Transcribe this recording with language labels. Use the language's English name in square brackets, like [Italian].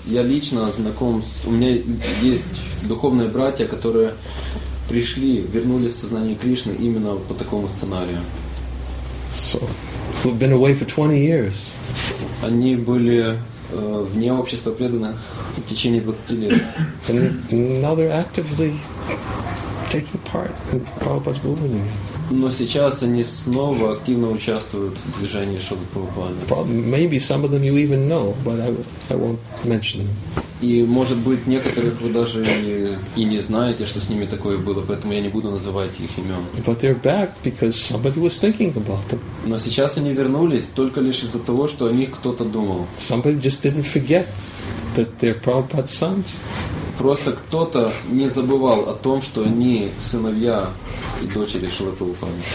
[Russian] Я лично знаком с... У меня есть духовные братья, которые пришли, вернулись в сознание Кришны именно по такому сценарию. [English] So, we've been away for 20 years. [Russian] Они были вне общества преданных в течение 20 лет. [English] And now they're actively taking part in Prabhupada's movement again. [Russian] Но сейчас они снова активно участвуют в движении Шрилы Прабхупады. [English] Maybe some of them you even know, but I won't mention them. [Russian] И может быть некоторых вы даже и не знаете, что с ними такое было, поэтому я не буду называть их имен. [English] But they're back because somebody was thinking about them. [Russian] Но сейчас они вернулись только лишь из-за того, что о них кто-то думал. [English] Somebody just didn't forget that they're Prabhupada's sons. [Russian] Просто кто-то не забывал о том, что они сыновья и дочери Шрилы Прабхупады.